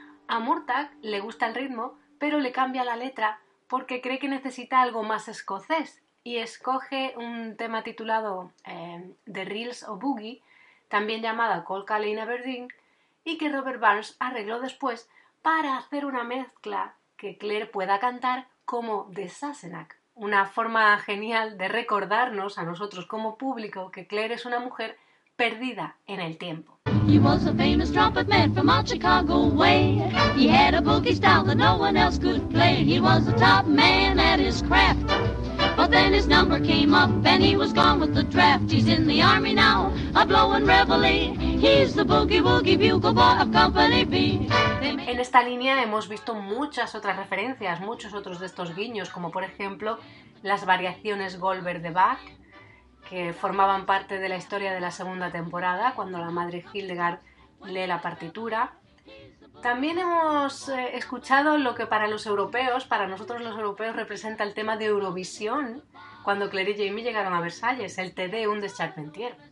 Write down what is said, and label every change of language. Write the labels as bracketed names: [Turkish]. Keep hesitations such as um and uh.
[Spanish] A Murtagh le gusta el ritmo, pero le cambia la letra porque cree que necesita algo más escocés y escoge un tema titulado eh, The Reels o Boogie, también llamada Colca Lane Aberdeen, y que Robert Barnes arregló después para hacer una mezcla que Claire pueda cantar como The Sassenach. Una forma genial de recordarnos a nosotros como público que Claire es una mujer perdida en el tiempo. [English] He was a famous trumpet man from out Chicago way. He had a boogie style that no one else could play. He was the top man at his craft. But then his number came up and he was gone with the draft. He's in the army now, a blowing reveille. He's the boogie woogie bugle boy of Company B. [Spanish] En esta línea hemos visto muchas otras referencias, muchos otros de estos guiños, como por ejemplo las variaciones Goldberg de Bach, que formaban parte de la historia de la segunda temporada, cuando la madre Hildegard lee la partitura. También hemos eh, escuchado lo que para los europeos, para nosotros los europeos, representa el tema de Eurovisión, cuando Claire y Jamie llegaron a Versalles, el TD un de Charpentier.